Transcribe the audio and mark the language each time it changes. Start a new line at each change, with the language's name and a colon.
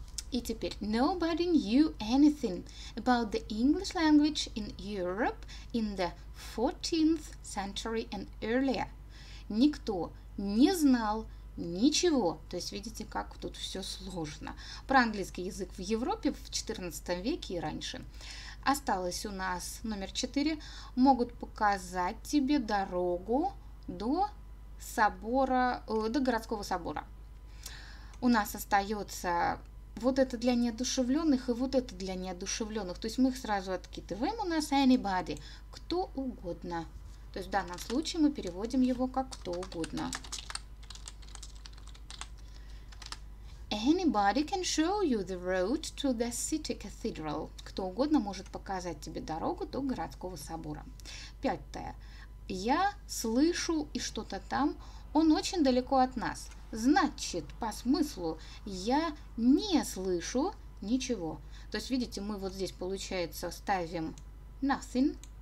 Russian: И теперь
English: «nobody knew anything about the English language in Europe in the 14th century and earlier».
Russian: «Никто не знал». Ничего. То есть, видите, как тут все сложно. Про английский язык в Европе в 14 веке и раньше. Осталось у нас номер 4. Могут показать тебе дорогу до собора, до городского собора. У нас остается вот это для неодушевленных и вот это для неодушевленных. То есть мы их сразу откидываем. У нас anybody. Кто угодно. То есть в данном случае мы переводим его как кто угодно.
English: Anybody can show you the road to the city cathedral.
Russian: Кто угодно может показать тебе дорогу до городского собора. Пятое. Я слышу и что-то там. Он очень далеко от нас. Значит, по смыслу, я не слышу ничего. То есть, видите, мы вот здесь, получается, ставим nothing.